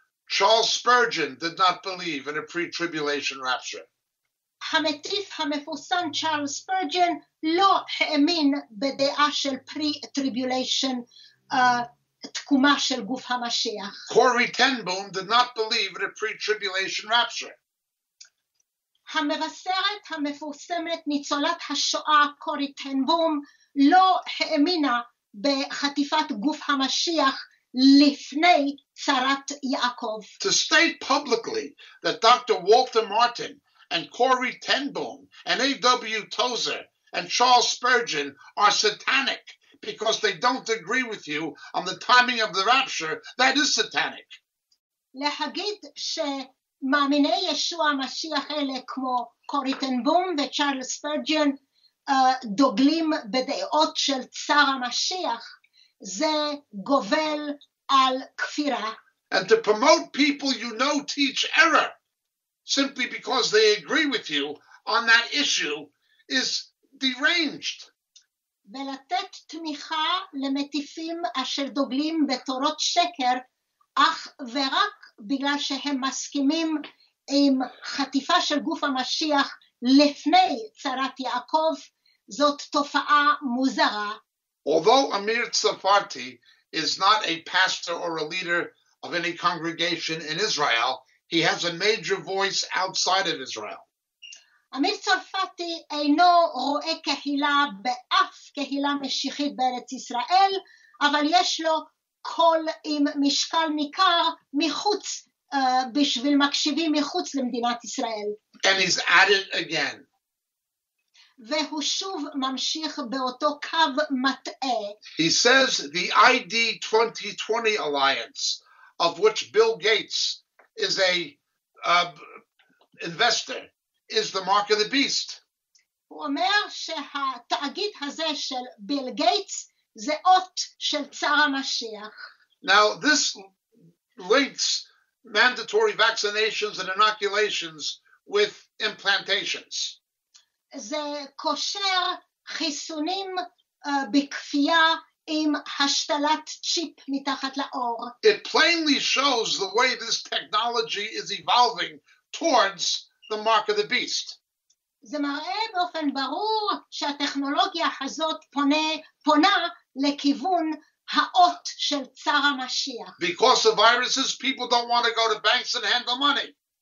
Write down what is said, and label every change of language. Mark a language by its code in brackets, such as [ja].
[en] Charles Spurgeon did not believe in a pre-tribulation rapture. [he] המטיף המפורסם Charles Spurgeon לא האמין בדעה של pre-tribulation תקומה של גוף המשיח. [en] Corrie Ten Boom did not believe in a pre-tribulation rapture. [he] המבשרת המפורסמת ניצולת השואה קורי טן בום לא האמינה בחטיפת גוף המשיח לפני צרת יעקב. [en] To state publicly that Dr. Walter Martin and Corrie Ten Boom and A.W. Tozer and Charles Spurgeon are satanic because they don't agree with you on the timing of the rapture, that is satanic. [he] להגיד שמאמיני ישוע המשיח אלה כמו קוריטנבום וצ'רלס פרג'ן דוגלים בדעות של צר המשיח, זה גובל על כפירה. [en] And to promote people you know teach error simply because they agree with you on that issue is deranged. [he] ולתת תמיכה למטיפים אשר דוגלים בתורות שקר, אך ורק בגלל שהם מסכימים עם חטיפה של גוף המשיח לפני צרת יעקב, זאת תופעה מוזרה. [en] Although Amir Tsarfati is not a pastor or a leader of any congregation in Israel, he has a major voice outside of Israel. [he] Amir Tsarfati אינו רואה קהילה באף קהילה משיחית בארץ ישראל, אבל יש לו קול עם משקל ניכר מחוץ, בשביל מקשיבים מחוץ למדינת ישראל. [en] And he's at it again. [he] והוא שוב ממשיך באותו קו מטעה. [en] He says the ID 2020 Alliance, of which Bill Gates is a investor, is the mark of the beast. [he] הוא אומר שהתאגיד הזה של ביל גייטס זה אות של צר המשיח. [en] Now, this links mandatory vaccinations and inoculations with implantations. [he] זה קושר חיסונים בכפייה עם השתלת צ'יפ מתחת לאור. [en] It plainly shows the way this technology is evolving towards the mark of the beast. [he] זה מראה באופן ברור שהטכנולוגיה הזאת פונה לכיוון האות של צר המשיח. [en] Because of viruses, people don't want to go to banks and handle money.